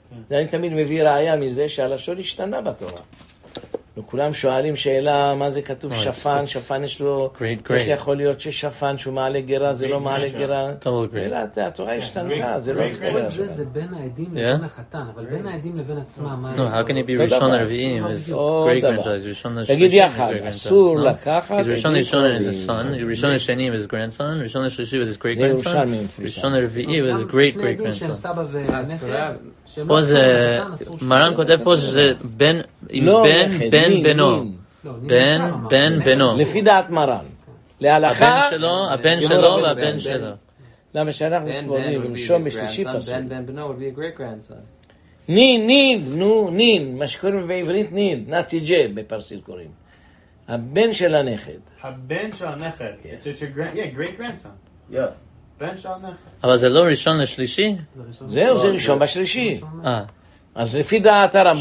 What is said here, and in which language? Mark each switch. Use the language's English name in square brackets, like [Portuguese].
[Hebrew] אני תמיד מביא ראיה מזה שהלשון השתנה בתורה. וכולם שואלים שאלה, מה זה כתוב שפן, שפן יש לו... [English] Great, great. [Hebrew] איך יכול להיות ששפן שהוא מעלה גירה, זה לא מעלה גירה? [English] Total great. [Hebrew] התורה השתנתה, זה לא... זה בין העדים לבין החתן, אבל בין העדים לבין עצמם... [English] No, how can it be [Hebrew] ראשון הרביעים? עוד דבר. תגיד יחד, אסור לקחת... ראשון ראשון [English] is a son, [Hebrew] ראשון השני [English] is grandson, [Hebrew] ראשון השלישי [English] is great grandson, [Hebrew] ראשון הרביעי [English] is great great grandson. [Hebrew] שני עדים שהם סבא ונכד... פה זה, מרן כותב פה שזה בן, בן, בן, בנו. בן, בן, בנו. לפי דעת מרן. להלכה. הבן שלו, הבן שלו והבן שלו. למה שאנחנו תבורים, במשום בשלישי פסול. בן, בן, בנו, [English] would be a great grandson. [Hebrew] נין, נין, נו, נין. מה שקוראים בעברית נין. נתי ג'ה בפרסית קוראים. הבן של הנכד. הבן של הנכד. [English] It's your great grandson. Yes. [Hebrew] אבל זה לא ראשון לשלישי? זהו, זה ראשון בשלישי. אז לפי דעת הרמב״ם...